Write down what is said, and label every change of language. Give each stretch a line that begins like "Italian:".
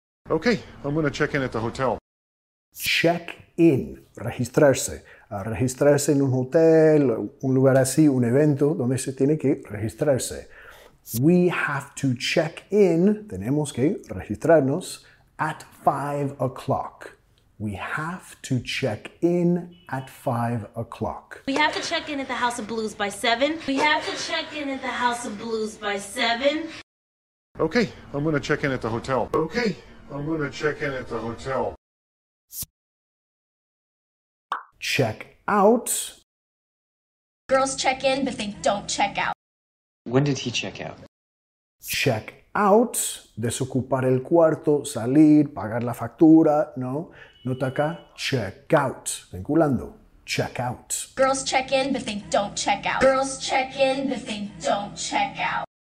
English: Okay, I'm going to check in at the hotel.
Spanish: Check in, registrarse. Registrarse en un hotel, un lugar así, un evento donde se tiene que registrarse.
English: We have to check in,
Spanish: tenemos que registrarnos,
English: at 5 o'clock. We have to check in at 5 o'clock. We have to check in at the House of Blues by 7. We have to check in at the House of Blues by 7. Okay, I'm going to check in at the hotel. Okay, I'm going to check in at the hotel. Check out. Girls check in, but they don't check out. When did he check out?
Spanish: Check out, desocupar el cuarto, salir, pagar la factura, ¿no? Nota acá, check out, vinculando, check out.
English: Girls check in, but they don't check out. Girls check in, but they don't check out.